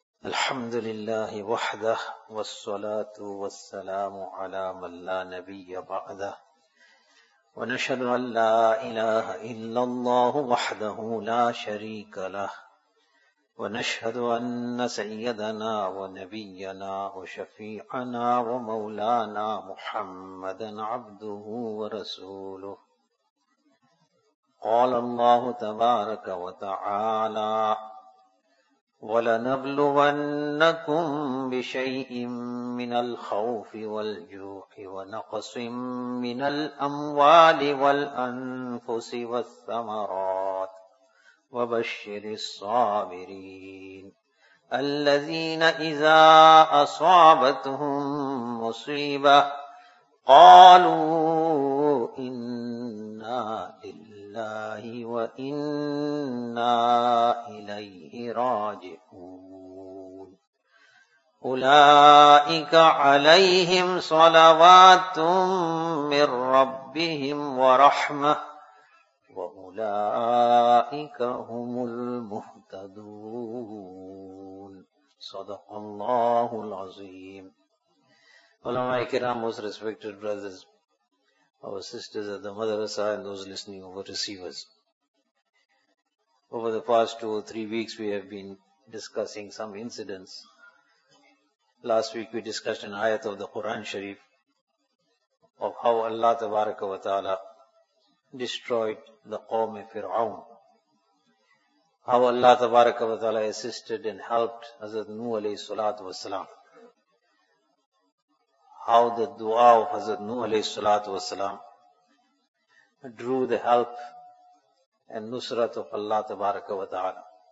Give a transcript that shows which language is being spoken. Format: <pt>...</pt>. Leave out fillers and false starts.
<ar>الحمد للہ وحدہ والصلاۃ والسلام علی من لا نبی بعدہ، ونشهد ان لا الہ الا اللہ وحدہ لا شریک لہ، ونشهد ان سیدنا ونبینا وشفیعنا ومولانا محمدا عبده ورسوله. قال الله تبارك وتعالى: ولنبلونكم بشيء من الخوف والجوع ونقص من الأموال والأنفس والثمرات وبشر الصابرين الذين إذا أصابتهم مصيبة قالوا إنا لله وإنا إليه راجعون. أولئك عليهم صلوات من ربهم ورحمة وأولئك هم المهتدون. صدق الله العظيم.</ar> <ur>علماء کرام،</ur> <en>most respected brothers, our sisters at the madrasa, and those listening over receivers. Over the past 2 or 3 weeks, we have been discussing some incidents. Last week, we discussed an ayat of the Quran Sharif of how Allah Tabaraka wa Ta'ala destroyed the qawm of Fir'aun, how Allah Tabaraka wa Ta'ala assisted and helped Hazrat Nuh alayhi salatu wa salam, how the dua of Hazrat Nuh alayhi salatu wasalam drew the help and nusrat of Allah tabaraka wa ta'ala.</en>